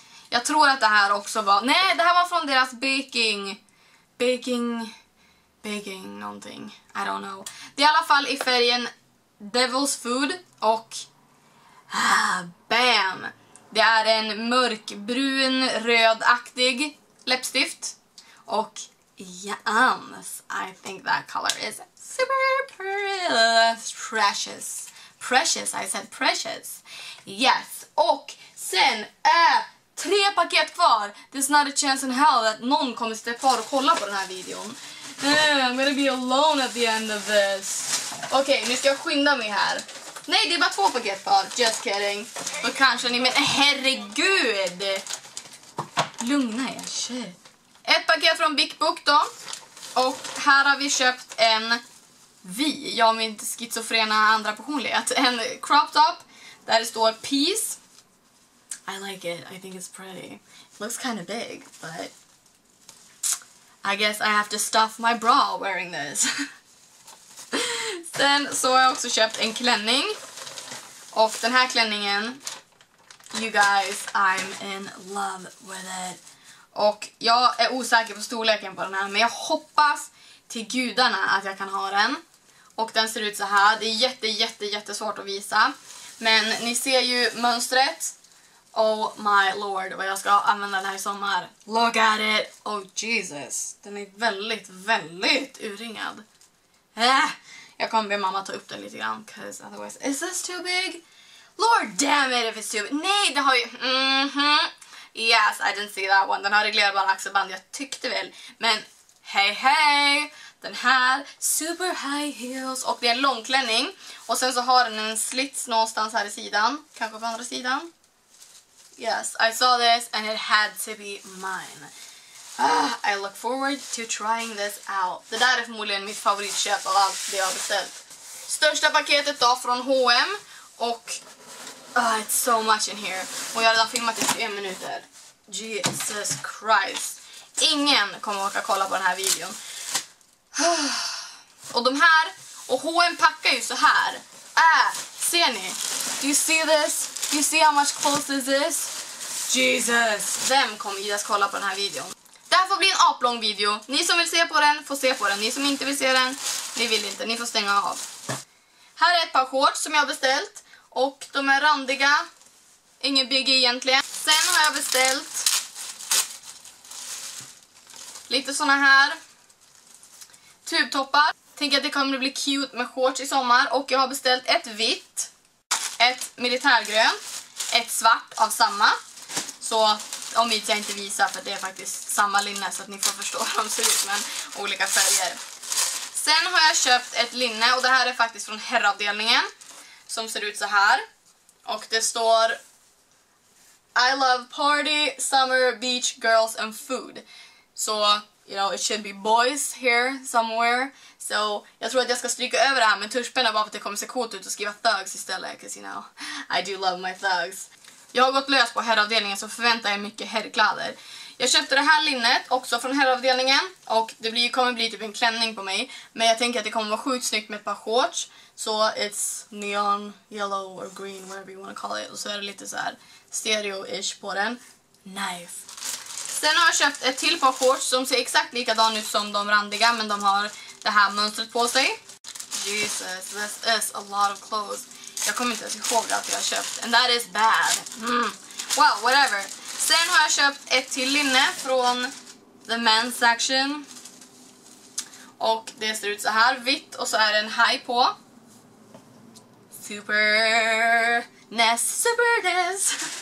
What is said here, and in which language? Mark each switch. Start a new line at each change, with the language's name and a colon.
Swedish: Jag tror att det här också var... Nej, det här var från deras baking... Baking någonting.
English: I don't know.
Swedish: Det är i alla fall i färgen Devil's Food. Och... bam! Det är en mörkbrun, rödaktig läppstift. Och...
English: yes, I think that color is super precious. Precious, I said precious.
Swedish: Yes, och sen är 3 paket kvar.
English: There's not a chance in hell
Swedish: att någon kommer att stå kvar och kolla på den här videon.
English: I'm gonna be alone at the end of this.
Swedish: Okej, nu ska jag skynda mig här. Nej, det är bara 2 paket kvar.
English: Just kidding.
Swedish: Och kanske ni menar, herregud. Lugna er, shit. Ett paket från Big Book då. Och här har vi köpt en... Vi, jag och min schizofrena andra personlighet. En crop top där det står peace.
English: I like it, I think it's pretty. It looks kind of big, but... I guess I have to stuff my bra wearing this.
Swedish: Sen så har jag också köpt en klänning. Och den här klänningen...
English: You guys, I'm in love with it.
Swedish: Och jag är osäker på storleken på den här, men jag hoppas till gudarna att jag kan ha den. Och den ser ut så här. Det är jättesvårt att visa. Men ni ser ju mönstret.
English: Oh my lord,
Swedish: vad jag ska använda den här i sommar.
English: Look at it!
Swedish: Oh Jesus, den är väldigt, väldigt urringad. Jag kommer be mamma ta upp den lite grann,
English: because otherwise... Is this too big? Lord damn it if it's too big.
Swedish: Nej, det har ju...
English: Yes, I didn't see that one.
Swedish: Den har reglerbara axelband, jag tyckte väl. Men hej hej! Den här,
English: super high heels.
Swedish: Och det är en långklänning. Och sen så har den en slits någonstans här i sidan. Kanske på andra sidan.
English: Yes, I saw this and it had to be mine. I look forward to trying this out.
Swedish: Det där är förmodligen mitt favoritköp av allt det jag har beställt. Största paketet då från H&M. Och...
English: it's so much in here.
Swedish: Och jag har redan filmat i 3 minuter. Jesus Christ. Ingen kommer att åka kolla på den här videon. Och de här, och H&M packar ju så här. Ser ni?
English: Do you see this? Do you see how much clothes this is? Jesus.
Swedish: Vem kommer att kolla på den här videon? Det här får bli en aplång video. Ni som vill se på den får se på den. Ni som inte vill se den, ni vill inte. Ni får stänga av. Här är ett par shorts som jag har beställt. Och de är randiga. Ingen biggie egentligen. Sen har jag beställt lite såna här tubtoppar. Tänker att det kommer bli cute med shorts i sommar. Och jag har beställt ett vitt, ett militärgrön, ett svart av samma. Så om jag inte visar, för det är faktiskt samma linne, så att ni får förstå hur de ser ut, men olika färger. Sen har jag köpt ett linne, och det här är faktiskt från herravdelningen. Som ser ut så här. Och det står...
English: I love party, summer, beach, girls and food. Så, you know, it should be boys here somewhere.
Swedish: So, jag tror att jag ska stryka över det här med tuschpenna bara för att det kommer se coolt ut och skriva thugs istället.
English: Because, you know, I do love my thugs.
Swedish: Jag har gått lös på herravdelningen, så förväntar jag mycket herrkläder. Jag köpte det här linnet också från herravdelningen. Och det blir, kommer bli typ en klänning på mig. Men jag tänker att det kommer vara sjukt snyggt med ett par shorts.
English: Så it's neon, yellow or green, whatever you want to call it.
Swedish: Och så är det lite så här stereo-ish på den. Nice. Sen har jag köpt ett till par shorts som ser exakt likadan ut som de randiga. Men de har det här mönstret på sig.
English: Jesus, this is a lot of clothes.
Swedish: Jag kommer inte ens ihåg att jag har köpt.
English: And that is bad. Well, whatever.
Swedish: Sen har jag köpt ett till linne från The Men's Section. Och det ser ut så här, vitt. Och så är det en haj på. Superness, superness.